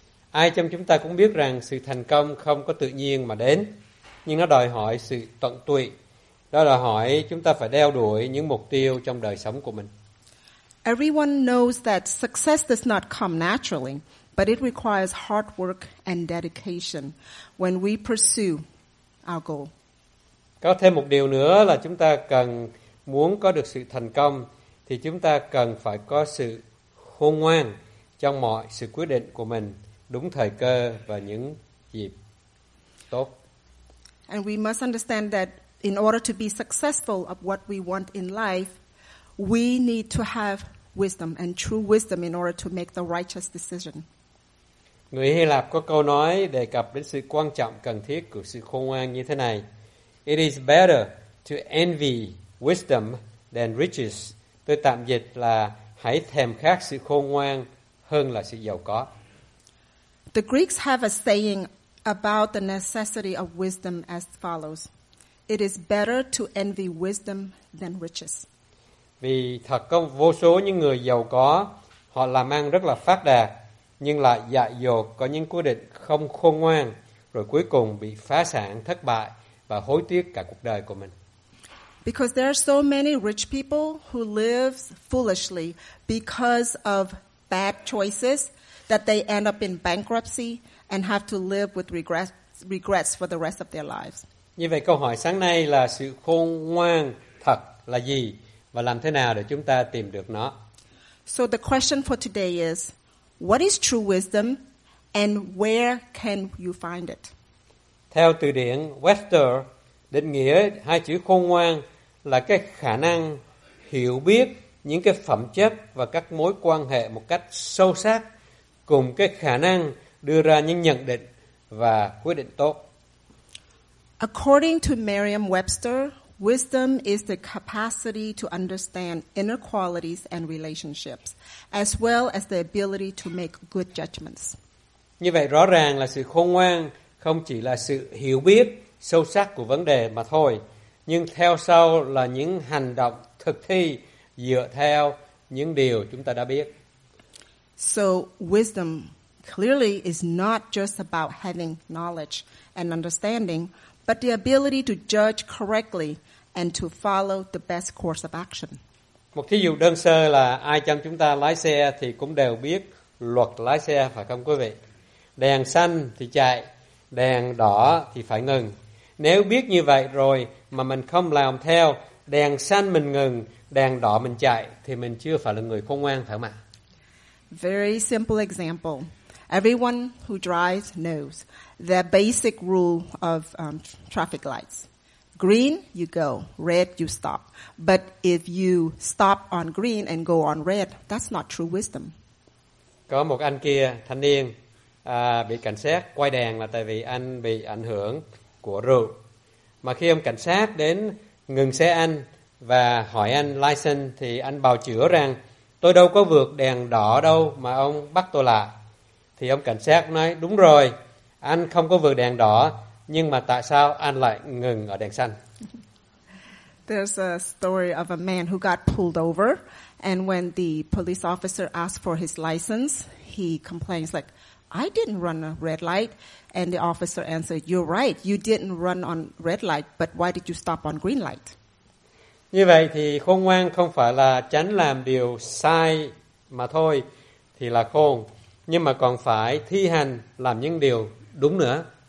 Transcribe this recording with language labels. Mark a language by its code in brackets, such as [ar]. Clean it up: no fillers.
[vi] Ai trong chúng ta cũng biết rằng sự thành công không có tự nhiên mà đến, nhưng nó đòi hỏi sự tận tụy. Đó đòi hỏi chúng ta phải đeo đuổi những mục tiêu trong đời sống của mình. [en] Everyone knows that success does not come naturally, but it requires hard work and dedication when we pursue our goal. [vi] Có thêm một điều nữa là chúng ta cần muốn có được sự thành công thì chúng ta cần phải có sự khôn ngoan trong mọi sự quyết định của mình, đúng thời cơ và những dịp tốt. [en] And we must understand that in order to be successful of what we want in life, we need to have wisdom and true wisdom in order to make the righteous decision. [vi] Người Hy Lạp có câu nói đề cập đến sự quan trọng cần thiết của sự khôn ngoan như thế này. [en] It is better to envy wisdom than riches. [vi] Tôi tạm dịch là hãy thèm khát sự khôn ngoan hơn là sự giàu có. [en] The Greeks have a saying about the necessity of wisdom as follows. It is better to envy wisdom than riches. [vi] Vì thật có vô số những người giàu có, họ làm ăn rất là phát đạt, nhưng lại dại dột có những quyết định không khôn ngoan, rồi cuối cùng bị phá sản, thất bại và hối tiếc cả cuộc đời của mình. [en] Because there are so many rich people who live foolishly because of bad choices that they end up in bankruptcy and have to live with regrets for the rest of their lives. [vi] Như vậy câu hỏi sáng nay là sự khôn ngoan thật là gì và làm thế nào để chúng ta tìm được nó? [en] So the question for today is, what is true wisdom and where can you find it? [vi] Theo từ điển Webster, định nghĩa hai chữ khôn ngoan là cái khả năng hiểu biết những cái phẩm chất và các mối quan hệ một cách sâu sắc, cùng cái khả năng đưa ra những nhận định và quyết định tốt. [en] According to Merriam-Webster, wisdom is the capacity to understand inner qualities and relationships, as well as the ability to make good judgments. [vi] Như vậy rõ ràng là sự khôn ngoan không chỉ là sự hiểu biết sâu sắc của vấn đề mà thôi, nhưng theo sau là những hành động thực thi dựa theo những điều chúng ta đã biết. [en] So wisdom clearly is not just about having knowledge and understanding, but the ability to judge correctly and to follow the best course of action. [vi] Một thí dụ đơn sơ là ai trong chúng ta lái xe thì cũng đều biết luật lái xe phải không quý vị? Đèn xanh thì chạy, đèn đỏ thì phải ngừng. Nếu biết như vậy rồi mà mình không làm theo, đèn xanh mình ngừng, đèn đỏ mình chạy thì mình chưa phải là người khôn ngoan phải không ạ? [en] Very simple example. Everyone who drives knows the basic rule of traffic lights. Green, you go. Red, you stop. But if you stop on green and go on red, that's not true wisdom. [vi] Có một anh kia, thanh niên, bị cảnh sát quay đèn là tại vì anh bị ảnh hưởng của rượu. Mà khi ông cảnh sát đến ngừng xe anh và hỏi anh license thì anh bào chữa rằng tôi đâu có vượt đèn đỏ đâu mà ông bắt tôi lại. Thì ông cảnh sát nói đúng rồi, anh không có vượt đèn đỏ, nhưng mà tại sao anh lại ngừng ở đèn xanh? [en] There's a story of a man who got pulled over, and when the police officer asked for his license, he complains like, I didn't run a red light, and the officer answered, you're right, you didn't run on red light, but why did you stop on green light? [vi] Như vậy thì khôn ngoan không phải là tránh làm điều sai mà thôi thì là khôn, nhưng mà còn phải thi hành làm những điều đúng nữa.